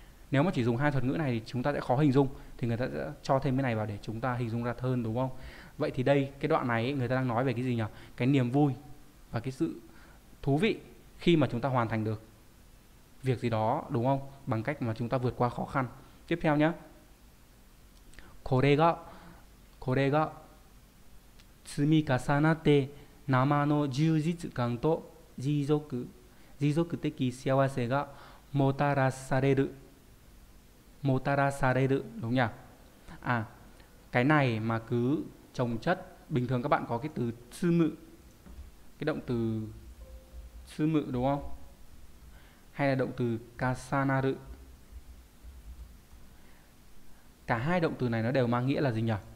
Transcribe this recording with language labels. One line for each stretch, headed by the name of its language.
Vietnamese: Nếu mà chỉ dùng hai thuật ngữ này thì chúng ta sẽ khó hình dung, thì người ta sẽ cho thêm cái này vào để chúng ta hình dung ra hơn, đúng không? Vậy thì đây, cái đoạn này người ta đang nói về cái gì nhỉ? Cái niềm vui và cái sự thú vị khi mà chúng ta hoàn thành được việc gì đó, đúng không? Bằng cách mà chúng ta vượt qua khó khăn. Tiếp theo nhé.
Japanese: これが積み重なって生の充実感と持続的幸せがもたらされる、
Vietnamese: đúng nhỉ? À, cái này mà cứ chồng chất, bình thường các bạn có cái từ sư mự, cái động từ sư mự đúng không? Hay là động từ kasanaru. Cả hai động từ này nó đều mang nghĩa là gì nhỉ?